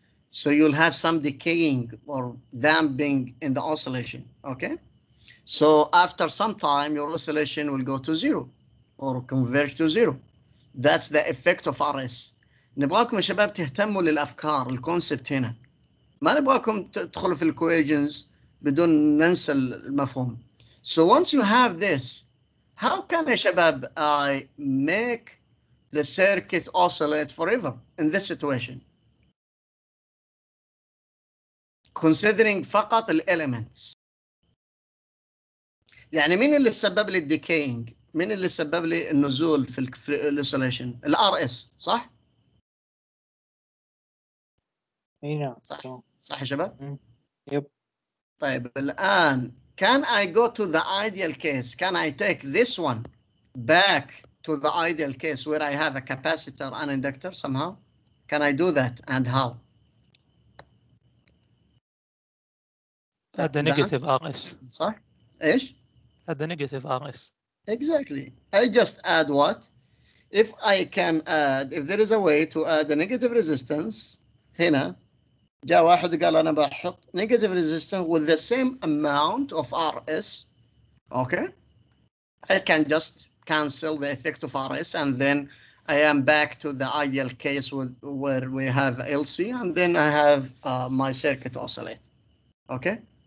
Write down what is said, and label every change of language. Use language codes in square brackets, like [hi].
[en] So you'll have some decaying or damping in the oscillation, okay? So after some time, your oscillation will go to zero or converge to zero. That's the effect of RS. [ar] نبغاكم يا شباب تهتموا للأفكار, الكونسبت هنا. ما نبغاكم تدخلوا في الكويجنز بدون ننسى المفهوم. [en] So once you have this, how can a shabab I make the circuit oscillate forever in this situation? Considering [ar] فقط [en] the elements. [ar] يعني مين اللي سبب لي [en] decaying؟ [ar] مين اللي سبب لي النزول في الاوسيليشن؟ ال RS صح؟ صح يا شباب؟ [en] يب. [ar] طيب الآن [en] can I go to the ideal case? Can I take this one back to the ideal case where I have a capacitor and inductor somehow? Can I do that and how? [ar] هذا نيجاتيف RS صح؟ إيش؟ هذا نيجاتيف RS [en] Exactly. I just add what? If I can add, if there is a way to add a negative resistance, [ar] هنا جاء واحد قال أنا بحط [en] negative resistance with the same amount of RS, okay? I can just cancel the effect of RS and then I am back to the ideal case where we have LC and then I have my circuit oscillate, okay?